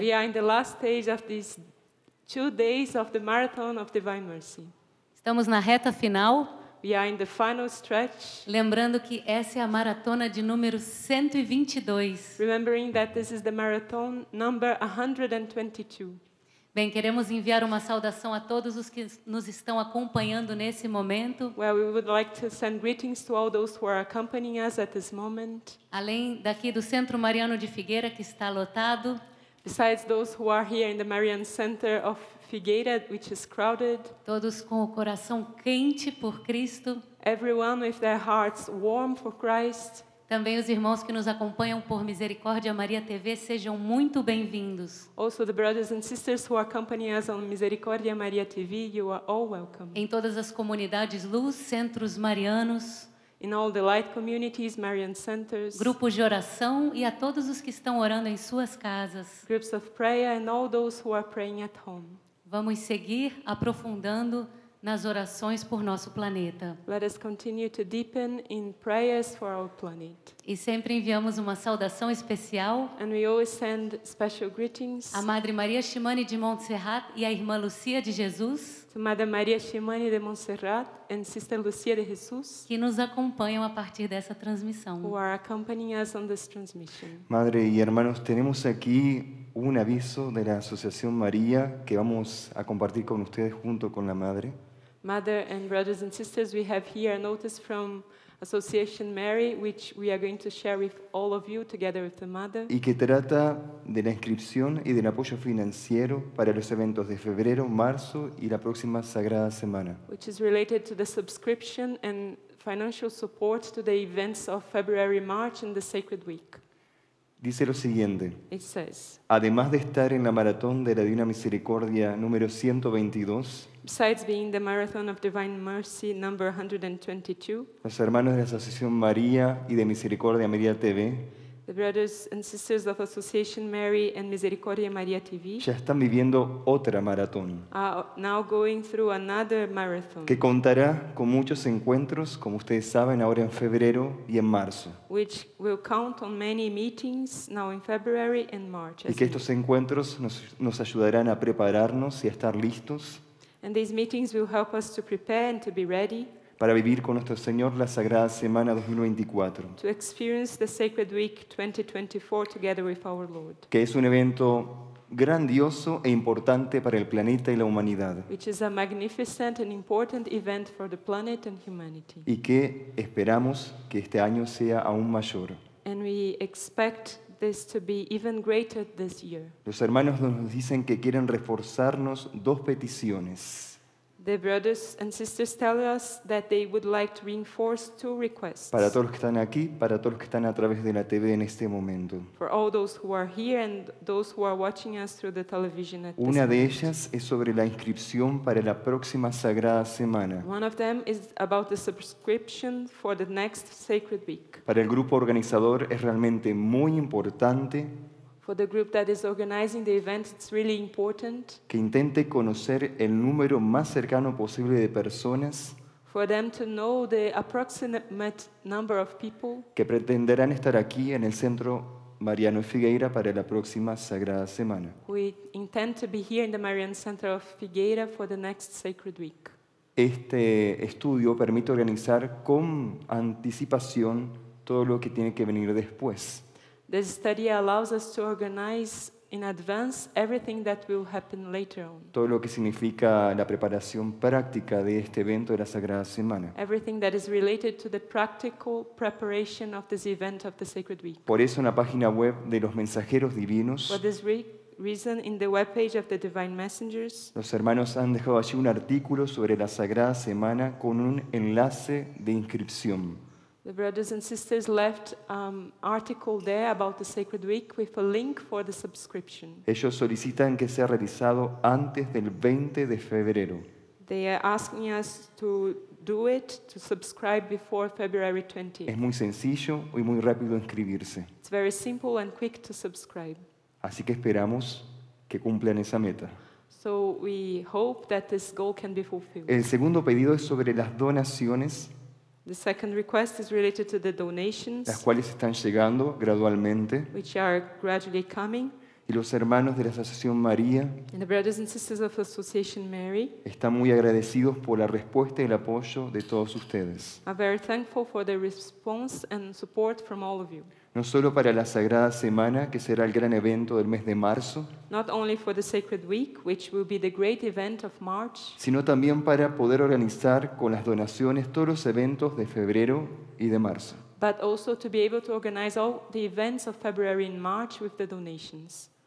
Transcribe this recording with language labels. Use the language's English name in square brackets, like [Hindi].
[English] We are in the last stage of these two days of the marathon of divine mercy. [Portuguese] Estamos na reta final. [English] We are in the final stretch. [Portuguese] Lembrando que essa é a maratona de número 122. [English] Remembering that this is the marathon number 122. [Portuguese] Bem, queremos enviar uma saudação a todos os que nos estão acompanhando nesse momento. [English] Well, we would like to send greetings to all those who are accompanying us at this moment. [Portuguese] Além daqui do Centro Mariano de Figueira, que está lotado. [English] Besides those who are here in the Marian Center of Figueira, which is crowded. [Portuguese] Todos com o coração quente por Cristo. [English] Everyone with their hearts warm for Christ. [Portuguese] Também os irmãos que nos acompanham por Misericórdia Maria TV, sejam muito bem-vindos. [English] Also the brothers and sisters who accompany us on Misericórdia Maria TV, you are all welcome. [Portuguese] Em todas as comunidades luz, centros marianos. [English] In all the light communities, Marian centers. [Portuguese] Grupos de oração e a todos os que estão orando em suas casas. [English] Groups of prayer and all those who are praying at home. [Portuguese] Vamos seguir aprofundando nas orações por nosso planeta. [English] Let us continue to deepen in prayers for our planet. [Portuguese] E sempre enviamos uma saudação especial. [English] And we always send special greetings. [Portuguese] A Madre Maria Chimane de Montserrat e a Irmã Lucia de Jesus. [English] To Madre Maria Chimane de Montserrat and Sister Lucia de Jesus. [Portuguese] Que nos acompanham a partir dessa transmissão. [English] Who are accompanying us on this transmission. [Spanish] Madre y hermanos, tenemos aquí un aviso de la Asociación María que vamos a compartir con ustedes junto con la Madre. [English] Mother and brothers and sisters, we have here a notice from Association Mary, which we are going to share with all of you together with the Mother. [Spanish] Y que trata de la inscripción y del apoyo financiero para los eventos de febrero, marzo y la próxima Sagrada Semana. [English] Which is related to the subscription and financial support to the events of February, March and the Sacred Week. [Spanish] Dice lo siguiente. [English] It says, [Spanish] además de estar en la maratón de la Divina Misericordia número 122, [English] besides being the marathon of divine mercy number 122, [Spanish] los hermanos de la Asociación María y de Misericordia María TV, [English] the brothers and sisters of Association Mary and Misericordia María TV, [Spanish] ya están viviendo otra maratón. [English] Are now going through another marathon. [Spanish] Que contará con muchos encuentros, como ustedes saben, ahora en febrero y en marzo. [English] Which will count on many meetings now in February and March. [Spanish] Y que estos encuentros nos ayudarán a prepararnos y a estar listos. [English] And these meetings will help us to prepare and to be ready. [Spanish] Para vivir con nuestro Señor la Sagrada Semana 2024. [English] To experience the Sacred Week 2024 together with our Lord. [Spanish] Que es un evento grandioso e importante para el planeta y la humanidad. [English] Which is a magnificent and important event for the planet and humanity. [Spanish] Y que esperamos que este año sea aún mayor. [English] And we expect this to be even greater this year. [Spanish] Los hermanos nos dicen que quieren reforzarnos dos peticiones. [English] The brothers and sisters tell us that they would like to reinforce two requests. [Spanish] Para todos los que están aquí, para todos los que están a través de la TV en este momento. [English] For all those who are here and those who are watching us through the television at this moment. [Spanish] Una de ellas es sobre la inscripción para la próxima Sagrada Semana. [English] One of them is about the subscription for the next Sacred Week. [Spanish] Para el grupo organizador es realmente muy importante. [English] For the group that is organizing the event, it's really important [Spanish] que intente conocer el número más cercano posible de personas [English] for them to know the approximate number of people [Spanish] que pretenderán estar aquí en el Centro Mariano Figueira para la próxima Sagrada Semana. [English] We intend to be here in the Marian Center of Figueira for the next Sacred Week. [Spanish] Este estudio permite organizar con anticipación todo lo que tiene que venir después. [English] This study allows us to organize in advance everything that will happen later on. [Spanish] Todo lo que significa la preparación práctica de este evento de la Sagrada Semana. [English] Everything that is related to the practical preparation of this event of the Sacred Week. [Spanish] Por eso en la página web de los mensajeros divinos. [English] For this reason, in the webpage of the Divine Messengers. [Spanish] Los hermanos han dejado allí un artículo sobre la Sagrada Semana con un enlace de inscripción. [English] The brothers and sisters left an article there about the Sacred Week with a link for the subscription. [Spanish] Ellos solicitan que sea realizado antes del 20 de febrero. [English] They are asking us to do it, to subscribe before February 20. [Spanish] Es muy sencillo y muy rápido inscribirse. [English] It's very simple and quick to subscribe. [Spanish] Así que esperamos que cumplan esa meta. [English] So we hope that this goal can be fulfilled. [Spanish] El segundo pedido es sobre las donaciones. [English] The second request is related to the donations, [Spanish] las cuales están llegando gradualmente, [English] which are gradually coming. [Spanish] Y los hermanos de la Asociación María, [English] and the brothers and sisters of Association Mary, [Spanish] están muy agradecidos por la respuesta y el apoyo de todos ustedes. [English] Are very thankful for the response and support from all of you. [Spanish] No solo para la Sagrada Semana, que será el gran evento del mes de marzo, [English] not only for the Sacred Week, which will be the great event of March, [Spanish] sino también para poder organizar con las donaciones todos los eventos de febrero y de marzo. [English] But also to be able to organize all the events of February and March with the donations.